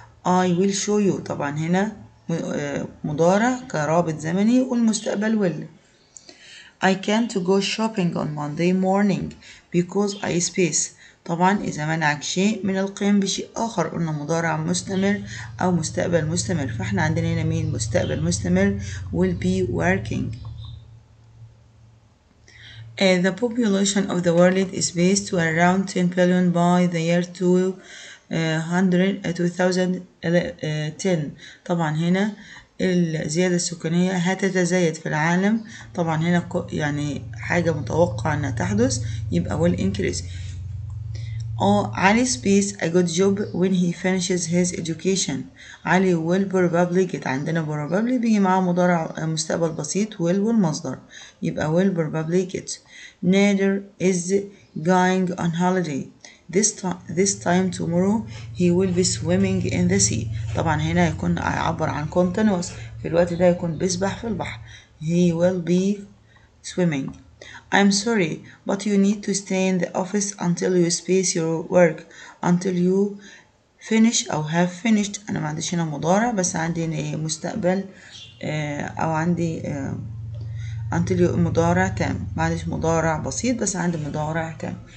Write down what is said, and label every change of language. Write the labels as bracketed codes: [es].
[ar] I will show you طبعا هنا مضارع كرابط زمني والمستقبل will. [en] I can't go shopping on Monday morning because I space. [ar] طبعا إذا منعك شيء من القيام بشيء آخر قلنا مضارع مستمر أو مستقبل مستمر، فإحنا عندنا هنا مين مستقبل مستمر will be working. [en] The population of the world is based to around 10 billion by the year 2010. [ar] طبعا هنا الزيادة السكانية هتتزايد في العالم، طبعا هنا يعني حاجة متوقعة أنها تحدث، يبقى will increase. [en] Oh, Ali space a good job when he finishes his education. Ali will probably get عندنا probably بيجي معاه مضارع مستقبل بسيط will والمصدر يبقى will probably get. Nader is going on holiday. This time tomorrow he will be swimming in the sea. [ar] طبعا هنا يكون عبر عن continuous في الوقت ده يكون بيسبح في البحر. [en] He will be swimming. I'm sorry, but you need to stay in the office until you space your work, until you finish or have finished. [ar] أنا ما عنديش هنا مضارع بس عندي مستقبل أو عندي until you مضارع تام. ما عنديش مضارع بسيط بس عندي مضارع تام.